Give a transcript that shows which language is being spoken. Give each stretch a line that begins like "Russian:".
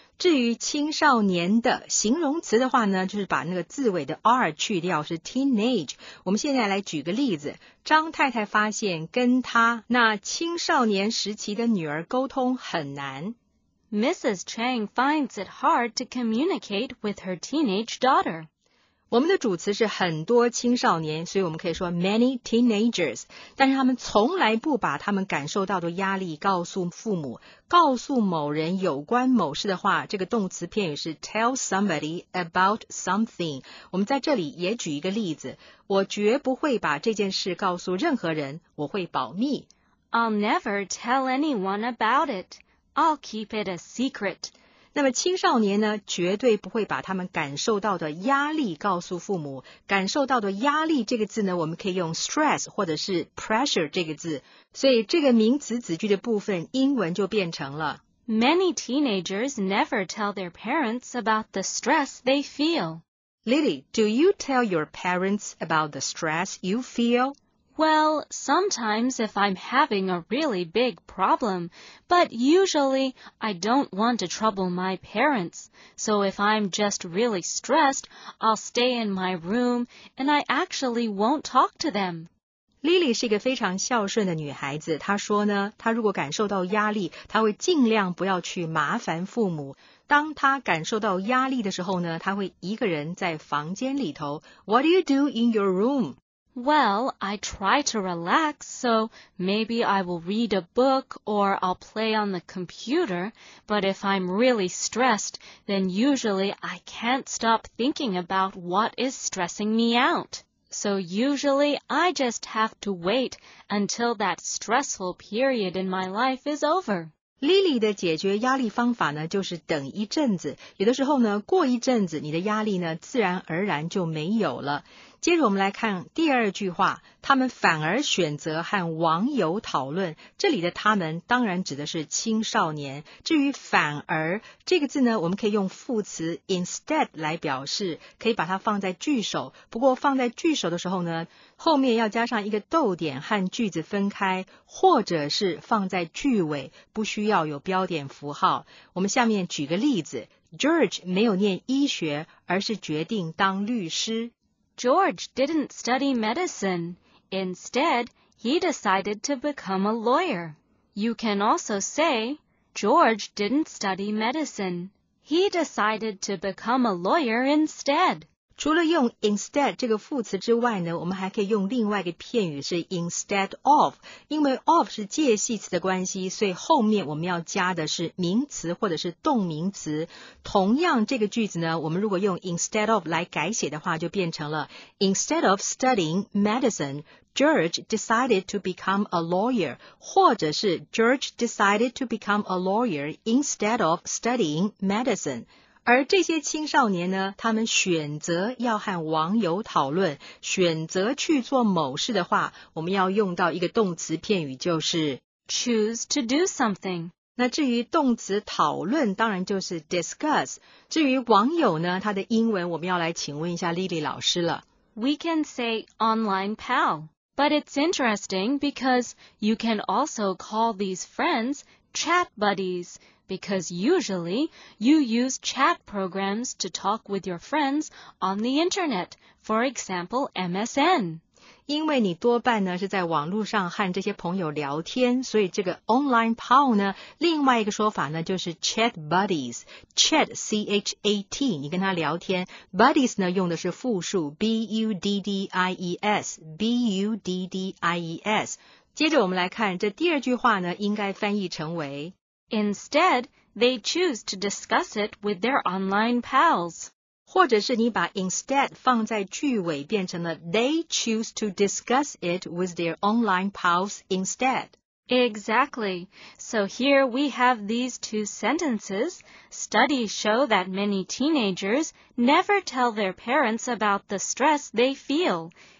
Chinese: 至于青少年的形容词的话呢，就是把那个字尾的 R 去掉，是 teenage。我们现在来举个例子，张太太发现跟她那青少年时期的女儿沟通很难。
English: Mrs. Chang finds it hard to communicate with her teenage daughter.
Chinese: 我们的主词是很多青少年，所以我们可以说
English: many teenagers.
Chinese: 但是他们从来不把他们感受到的压力告诉父母。告诉某人有关某事的话，这个动词片语是
English: tell somebody about something.
Chinese: 我们在这里也举一个例子，我绝不会把这件事告诉任何人，我会保密。
English: I'll never tell anyone about it. I'll keep it a secret.
Chinese: 那么青少年呢，绝对不会把他们感受到的压力告诉父母。感受到的压力这个字呢，我们可以用 stress 或者是 pressure 这个字。所以这个名词子句的部分，英文就变成了
English: Many teenagers never tell their parents about the stress they feel. Lily, do you tell your parents about the stress you feel? Well, sometimes if I'm having a really big problem, but usually I don't want to trouble my parents. So if I'm just really stressed, I'll stay in my room and I actually won't talk to them.
Chinese: Lily 是一个非常孝顺的女孩子，她说呢，她如果感受到压力，她会尽量不要去麻烦父母。当她感受到压力的时候呢，她会一个人在房间里头。
English: What do you do in your room? Well, I try to relax, so maybe I will read a book or I'll play on the computer, but if I'm really stressed, then usually I can't stop thinking about what is stressing me out. So usually I just have to wait until that stressful period in my life is over.
Chinese: Lily 的解决压力方法呢，就是等一阵子。有的时候呢，过一阵子，你的压力呢，自然而然就没有了。接着我们来看第二句话，他们反而选择和网友讨论。这里的他们当然指的是青少年。至于反而这个字呢，我们可以用副词 instead 来表示，可以把它放在句首。不过放在句首的时候呢，后面要加上一个逗点和句子分开，或者是放在句尾，不需要有标点符号。我们下面举个例子， George 没有念医学，而是决定当律师。
English: George didn't study medicine. Instead, he decided to become a lawyer. You can also say, George didn't study medicine. He decided to become a lawyer instead.
Chinese: 除了用 instead 这个副词之外呢，我们还可以用另外一个片语是 instead of. 因为 of 是介系词的关系，所以后面我们要加的是名词或者是动名词。同样这个句子呢，我们如果用 instead of 来改写的话，就变成了
English: instead of studying medicine, George decided to become a lawyer,
Chinese: 或者是
English: George decided to become a lawyer instead of studying medicine.
Chinese: 而这些青少年呢，他们选择要和网友讨论，选择去做某事的话，我们要用到一个动词片语，就是
English: choose to do something。
Chinese: 那至于动词讨论，当然就是 discuss。至于网友呢，它的英文我们要来请问一下莉莉老师了。
English: We can say online pal, but it's interesting because you can also call these friends chat buddies. Because usually, you use chat programs to talk with your friends on the internet, for example, MSN.
Chinese: 因为你多半呢是在网络上和这些朋友聊天，所以这个 online pal 呢，另外一个说法呢就是 chat buddies. Chat, C-H-A-T, 你跟他聊天。 Buddies 呢用的是复数 B-U-D-D-I-E-S, B-U-D-D-I-E-S. 接着我们来看这第二句话呢，应该翻译成为
English: Instead, they choose to discuss it with their online pals.
Chinese: 或者是你把 instead 放在句尾变成了
English: they choose to discuss it with their online pals instead. Exactly. So here we have these two sentences. Studies show that many teenagers never tell their parents about the stress they feel.